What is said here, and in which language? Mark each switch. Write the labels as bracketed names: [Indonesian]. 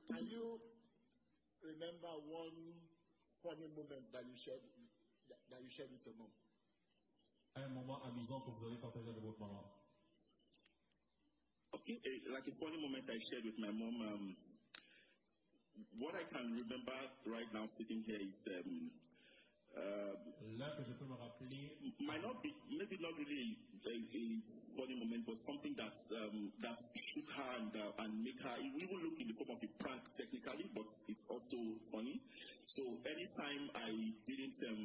[English] Can you remember one funny moment that you shared with your mom? [French] Un moment amusant que vous avez partagé avec votre maman. [English] Like a funny moment I shared with my mom, what I can remember right now sitting here is, maybe not really a funny moment, but something that shook her and make her, it will look in the form of a prank technically, but it's also funny. So anytime I didn't,